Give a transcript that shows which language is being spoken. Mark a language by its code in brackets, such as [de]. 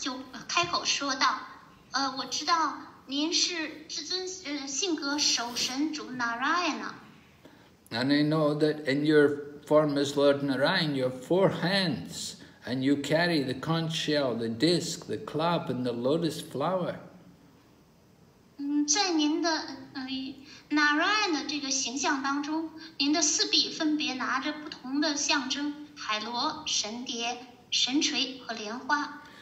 [zh] 其中的一位社会贤达就开口说道，我知道。您是至尊性格守神主Narayana。 [en] And I know that in your form as Lord Narayan, you have four hands, and you carry the conch shell, the disc, the club, and the lotus flower. [zh] 在您的Narayana的这个形象当中，您的四臂分别拿着不同的象征，海螺、神碟、神锤和莲花。